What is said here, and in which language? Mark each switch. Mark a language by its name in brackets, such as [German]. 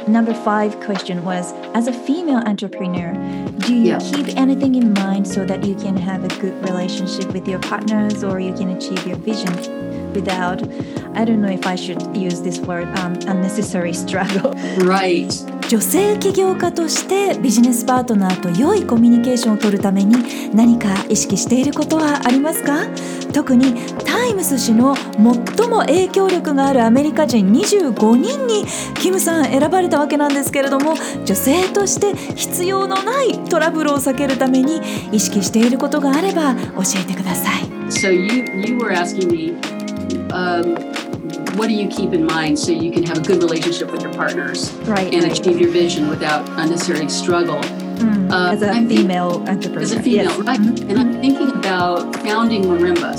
[English] Number five question was, as a female entrepreneur, do you keep anything in mind so that you can have a good relationship with your partners or you can achieve your vision without, I don't know if I should use this word, unnecessary struggle. Right. [Japanese] 女性起業家としてビジネスパートナーと良いコミュニケーションを取るために何か意識していることはありますか？特にタイムス氏の最も影響力があるアメリカ人25人にキムさん選ばれたわけなんですけれども、女性として必要のないトラブルを避けるために意識していることがあれば教えてください。 [English] So you were asking me、What do you keep in mind so you can have a good relationship with your partners and achieve your vision without unnecessary struggle? As a female entrepreneur. Yes. Right? Mm-hmm. And I'm thinking about founding Marimba.